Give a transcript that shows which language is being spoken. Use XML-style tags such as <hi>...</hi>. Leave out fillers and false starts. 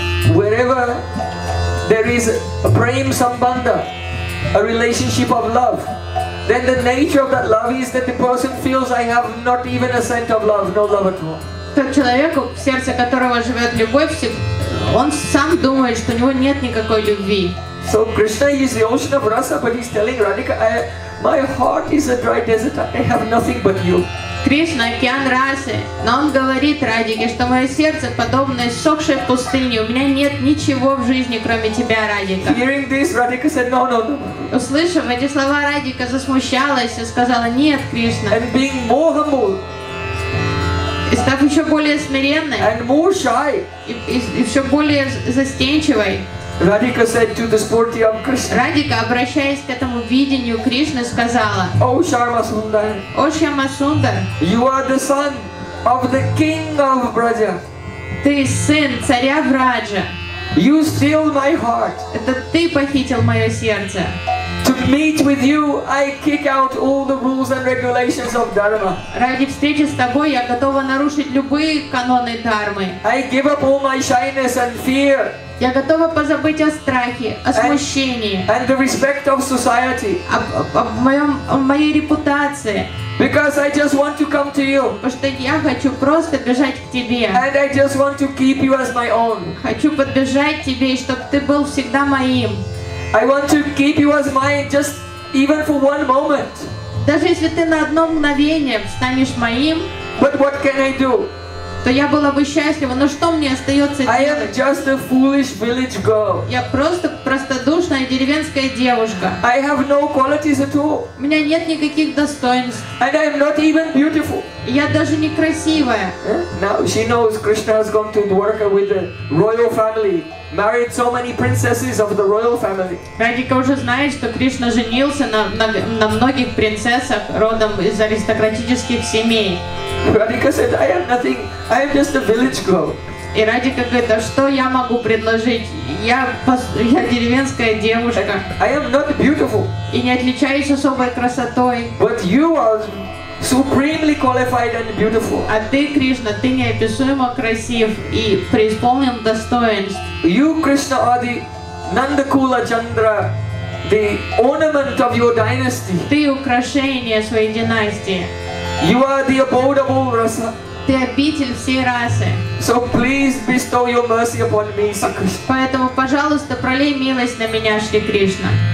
<en>wherever there is a prem sambandha, a relationship of love, then the nature of that love is that the person feels I have not even a cent of love, no love at all.</en> <ru>Тот человек, в сердце которого живет любовь, он сам думает, что у него нет никакой любви.</ru> <en>So Krishna is the ocean of rasa, but he's telling Radhika, my heart is a dry desert. I have nothing but you.</en> <ru>Кришна океан расы, но он говорит Радике, что мое сердце подобно иссохшей пустыне. У меня нет ничего в жизни, кроме тебя, Радика.</ru> <en>Hearing this, Radhika said, no.</en> <ru>Услышав эти слова, Радика засмущалась и сказала, нет, Кришна.</ru> <en>And being more humble.</en> <ru>И став еще более смиренной.</ru> <en>And more shy.</en> <ru>И все более застенчивой.</ru> <en>Radhika said to the sporty of Krishna.</en> <ru>Radhika, обращаясь к этому видению Кришны, сказала.</ru> <en>О Шьяма Сундар. You are the son of the king of Braja.</en> <ru>Ты сын царя Враджа.</ru> <en>You steal my heart.</en> <ru>Это ты похитил мое сердце.</ru> <en>To meet with you, I kick out all the rules and regulations of dharma.</en> <ru>Ради встречи с тобой я готова нарушить любые каноны дармы.</ru> <en>I give up all my shyness and fear.</en> <ru>Я готова позабыть о страхе, о смущении.</ru> <en>And the respect of society.</en> <ru>О моей репутации.</ru> <en>Because I just want to come to you.</en> <ru>Потому что я хочу просто бежать к тебе.</ru> <en>And I just want to keep you as my own.</en> <ru>Хочу подбежать к тебе, чтобы ты был всегда моим.</ru> <en>I want to keep you as mine, just even for one moment.</en> <ru>Даже если ты на одно мгновение станешь моим.</ru> <en>But what can I do?</en> <ru>То я была бы счастлива, но что мне остается делать?</ru> <en>I am just a foolish village girl.</en> <ru>Я просто простодушная деревенская девушка.</ru> <en>I have no qualities at all.</en> <ru>У меня нет никаких достоинств.</ru> <en>And I am not even beautiful.</en> <ru>Я даже не красивая.</ru> <en>Now she knows Krishna has gone to Dwarka with the royal family. Married so many princesses of the royal family.</en> <ru>Радика уже знает, что Кришна женился на многих принцессах родом из аристократических семей. Радика said, I am nothing. I am just a village girl. И Радика говорит, а что я могу предложить? Я деревенская девушка.</ru> <en>I am not beautiful.</en> <ru>И не отличаюсь особой красотой.</ru> <en>But you are supremely qualified and beautiful.</en> <ru>А ты, Кришна, ты неописуемо красив и преисполнен достоинств.</ru> <en>You, Krishna, are the Nandakula Chandra, the ornament of your dynasty.</en> <ru>Ты украшение своей династии.</ru> <en>You are the abode of all rasa.</en> <ru>Ты обитель всей расы.</ru> <en>So please bestow your mercy upon me, Sri Krishna.</en> <ru>Поэтому, пожалуйста, пролей милость на меня, Шри Кришна.</ru>